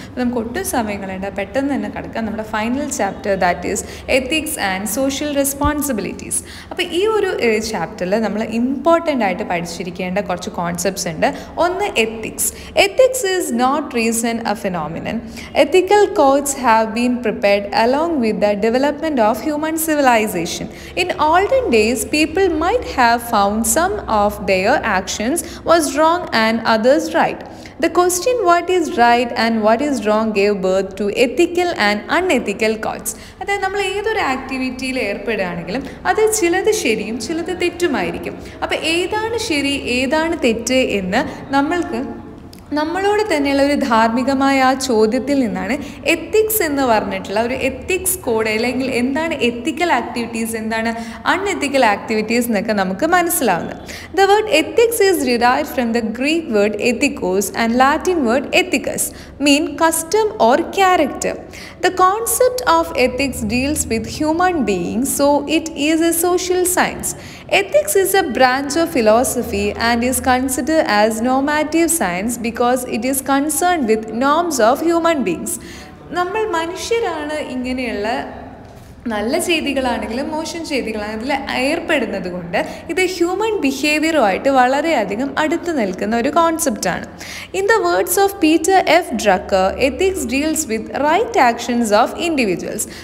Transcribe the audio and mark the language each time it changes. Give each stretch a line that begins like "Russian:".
Malayalam: അപ്പോൾ നമുക്ക് ഒട്ടും സമയങ്ങളുണ്ട്, പെട്ടെന്ന് തന്നെ കടക്കാം നമ്മുടെ final chapter,
English: That is ethics and social responsibilities.
Malayalam: അപ്പോൾ ഈ ഒരു ചാപ്റ്ററിൽ നമ്മൾ ഇമ്പോർട്ടൻ്റ് ആയിട്ട് പഠിച്ചിരിക്കേണ്ട കുറച്ച് കോൺസെപ്റ്റ്സ് ഉണ്ട്. ഒന്ന്, ethics.
English: Ethics is not reason a phenomenon. Ethical codes have been prepared along with the development of human civilization. In olden days people might have found some of their actions was wrong and others right. The question what is right and what is wrong gave birth to ethical and unethical codes.
Malayalam: അതായത് നമ്മൾ ഏതൊരു ആക്ടിവിറ്റിയിൽ ഏർപ്പെടുകയാണെങ്കിലും അത് ചിലത് ശരിയും ചിലത് തെറ്റുമായിരിക്കും. അപ്പോൾ ഏതാണ് ശരി ഏതാണ് തെറ്റ് എന്ന് നമ്മൾക്ക് നമ്മളോട് തന്നെയുള്ള ഒരു ധാർമ്മികമായ ആ ചോദ്യത്തിൽ നിന്നാണ് എത്തിക്സ് എന്ന് പറഞ്ഞിട്ടുള്ള ഒരു എത്തിക്സ് കോഡ്, അല്ലെങ്കിൽ എന്താണ് എത്തിക്കൽ ആക്ടിവിറ്റീസ് എന്താണ് അൺഎത്തിക്കൽ ആക്ടിവിറ്റീസ് എന്നൊക്കെ നമുക്ക് മനസ്സിലാവുന്നത്.
English: The word ethics is derived from the Greek word ethikos and Latin word ethicus mean custom or character. The concept of ethics deals with human being so it is a social science. Ethics is a branch of philosophy and is considered as normative science because it is concerned with norms of human beings.
Malayalam: നമ്മൾ മനുഷ്യരാണ് ഇങ്ങനെയുള്ള നല്ല ചെയ്തികളാണെങ്കിലും മോശം ചെയ്തികളാണെങ്കിലും അതിൽ ഏർപ്പെടുന്നത് കൊണ്ട് ഇത് human ബിഹേവിയറുമായിട്ട് വളരെയധികം അടുത്ത് നിൽക്കുന്ന ഒരു കോൺസെപ്റ്റാണ്.
English: In the words of Peter F Drucker, ethics deals with right actions of individuals.